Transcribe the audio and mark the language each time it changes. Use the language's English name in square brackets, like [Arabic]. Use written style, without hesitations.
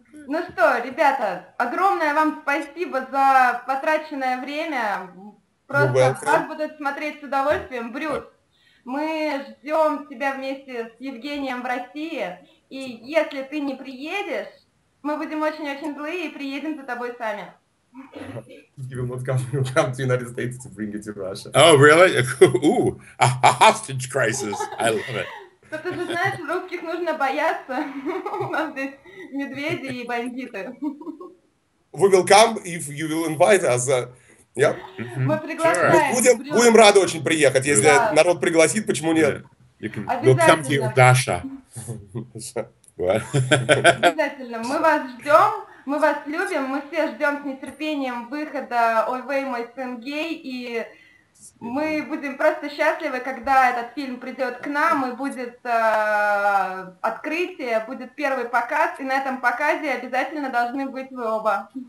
[Russian] Ну что, ребята, огромное вам спасибо за потраченное время. Просто вас будут смотреть с удовольствием. Брюс. Мы ждем тебя вместе с Евгением в России, и если ты не приедешь, мы будем очень-очень злые и приедем за тобой сами. [English] You will not come to the United States to bring you to Russia. Oh, really? Ooh, a hostage crisis. I love it. [Russian] Но ты же знаешь, русских нужно бояться. У нас здесь медведи и бандиты. [English] We will come if you will invite us. Yep. Mm-hmm. [Russian] Мы приглашаем. [English] Sure. [Russian] Будем рады очень приехать. Если народ пригласит, почему нет? [English] We'll come to you, Dasha. [Russian] Обязательно. Мы вас ждем, мы вас любим, мы все ждем с нетерпением выхода «Ой, вей, мой сын гей», и мы будем просто счастливы, когда этот фильм придет к нам, и будет открытие, будет первый показ, и на этом показе обязательно должны быть вы оба.